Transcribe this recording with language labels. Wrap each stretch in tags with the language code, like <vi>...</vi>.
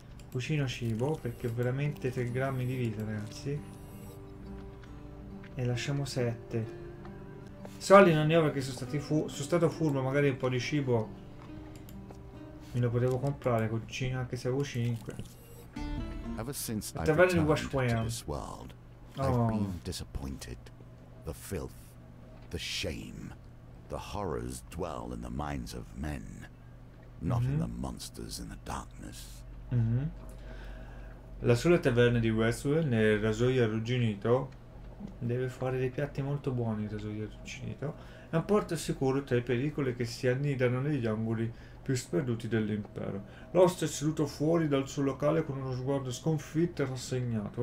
<it>Cucino cibo, perché ho veramente 3 grammi di vita, ragazzi. E lasciamo 7. Soldi non ne ho perché sono stato furbo, magari un po' di cibo me lo potevo comprare con 5, anche se avevo 5. Attraverso il Washwam.</it> <en>Oh. I've been disappointed. The filth, the shame, the horrors dwell in the minds of men, not in the monsters in the darkness.</en> <it>La sola taverna di Westwell nel rasoio arrugginito. Deve fare dei piatti molto buoni il rasoio arrugginito. È un porto sicuro tra i pericoli che si annidano negli angoli più sperduti dell'impero. L'oste è seduto fuori dal suo locale con uno sguardo sconfitto e rassegnato.</it>